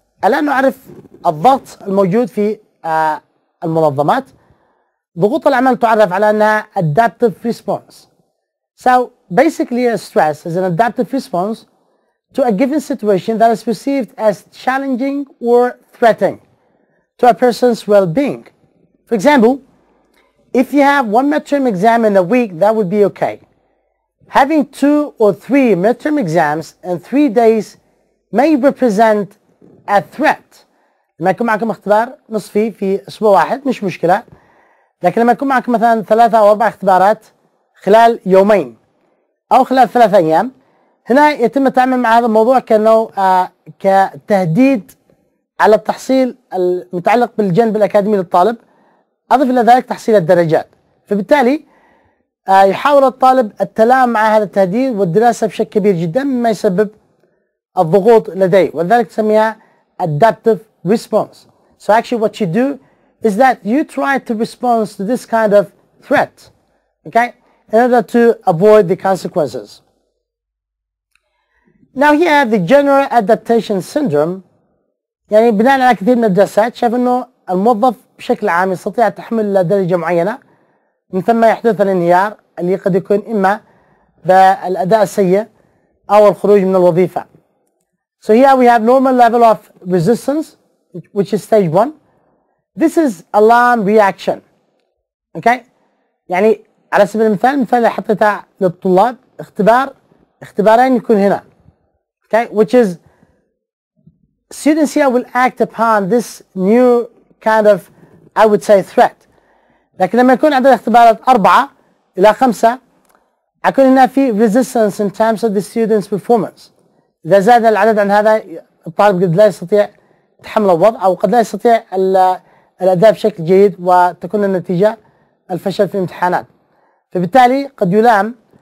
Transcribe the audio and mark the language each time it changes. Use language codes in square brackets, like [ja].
[ar] الان نعرف الضغط الموجود في المنظمات. ضغوط العمل تعرف على أنها [en] adaptive response. So basically a stress is an adaptive response to a given situation that is perceived as challenging or threatening to a person's well-being. For example, if you have one midterm exam in a week, that would be okay. Having two or three midterm exams in 3 days may represent a threat. [ar] لما يكون معكم اختبار نصفي في أسبوع واحد مش مشكلة. لكن لما يكون معك مثلا 3 أو 4 اختبارات خلال يومين أو خلال 3 أيام هنا يتم التعامل مع هذا الموضوع كأنه كتهديد على التحصيل المتعلق بالجانب الأكاديمي للطالب أضف إلى ذلك تحصيل الدرجات فبالتالي يحاول الطالب التلاعب مع هذا التهديد والدراسة بشكل كبير جدا مما يسبب الضغوط لديه ولذلك تسميها [en] adaptive response. So actually what you do is that you try to respond to this kind of threat, okay, in order to avoid the consequences. Now here, the general adaptation syndrome, [ar] يعني بناء على كثير من الدراسات شاف انه الموظف بشكل عام يستطيع تحمل لدرجة معينة من ثم يحدث الانهيار اللي قد يكون اما بالاداء السيء او الخروج من الوظيفة. [en] So here we have normal level of resistance, which is stage one. This is alarm reaction, okay? [ar] يعني على سبيل المثال اللي حطيته للطلاب اختبارين يكون هنا, okay? [en] Which is students here will act upon this new kind of, I would say, threat. [ar] لكن لما يكون عدد اختبارات 4 إلى 5 يكون هنا في [en] resistance in terms of the student's performance. [ar] إذا زاد العدد عن هذا الطالب قد لا يستطيع تحمل الوضع أو قد لا يستطيع الأداء بشكل جيد وتكون النتيجة الفشل في الامتحانات فبالتالي قد يلام